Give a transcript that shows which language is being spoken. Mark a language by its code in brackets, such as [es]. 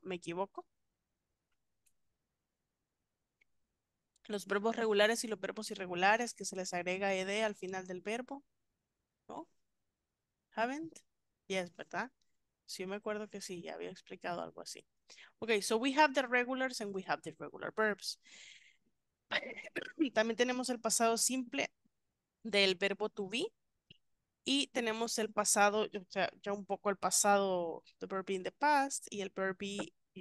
[es] ¿Me equivoco? Los verbos regulares y los verbos irregulares que se les agrega ed al final del verbo. No. [en] Haven't? Yes, [es] ¿verdad? Sí, me acuerdo que sí, ya había explicado algo así. [en] Okay, so we have the regulars and we have the regular verbs. [es] Y también tenemos el pasado simple del verbo to be. Y tenemos el pasado, o sea, ya un poco el pasado, [en] the verb in the past, [es] y el verb be.